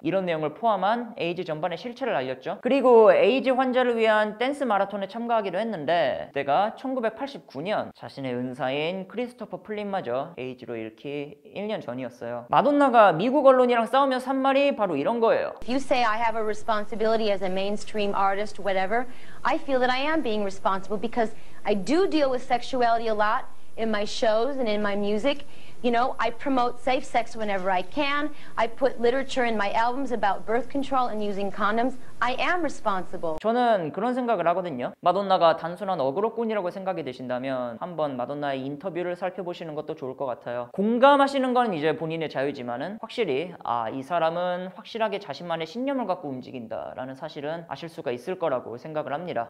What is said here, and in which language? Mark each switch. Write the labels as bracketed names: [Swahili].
[Korean] 이런 내용을 포함한 에이즈 전반의 실체를 알렸죠. 그리고 에이즈 환자를 위한 댄스 마라톤에 참가하기로 했는데 그때가 1989년 자신의 은사인 크리스토퍼 플린마저 에이즈로 잃기 1년 전이었어요. 마돈나가 미국 언론이랑 싸우며 산 말이 바로 이런 거예요. [English] You say I have a responsibility as a mainstream artist, whatever. I feel that I am being responsible because I do deal with sexuality a lot in my shows and in my music. You know, I promote safe sex whenever I can. I put literature in my albums about birth control and using condoms. I am responsible. [Korean] 저는 그런 생각을 하거든요. 마돈나가 단순한 어그로꾼이라고 생각이 드신다면 한번 마돈나의 인터뷰를 살펴보시는 것도 좋을 것 같아요. 공감하시는 건 이제 본인의 자유지만은 확실히 아, 이 사람은 확실하게 자신만의 신념을 갖고 움직인다라는 사실은 아실 수가 있을 거라고 생각을 합니다.